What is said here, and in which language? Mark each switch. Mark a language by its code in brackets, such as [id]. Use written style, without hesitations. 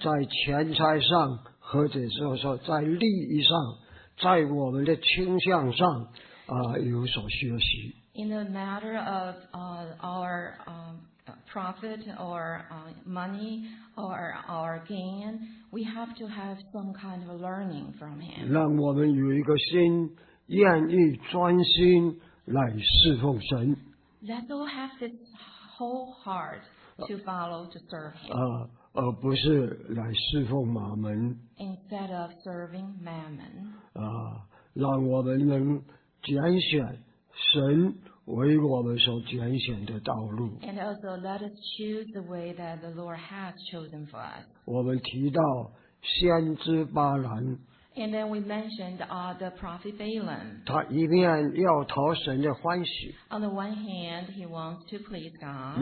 [zh] 在钱财上或者说在利益上在我们的倾向上有所学习。 [en] In the matter of our profit or money or our gain, we have to have some kind of learning from him. [zh] 让我们有一个心愿意专心来侍奉神。 [en] Let's all have this whole heart to follow to serve him. [zh] 而不是来侍奉马门。 [en] Instead of serving mammon. [zh] 让我们能拣选神为我们所拣选的道路。 [en] And also let us choose the way that the Lord has chosen for us. [zh] 我们提到先知巴兰。 [en] And then we mentioned the prophet Balaam. [zh] 他一面要讨神的欢喜。 [en] On the one hand, he wants to please God.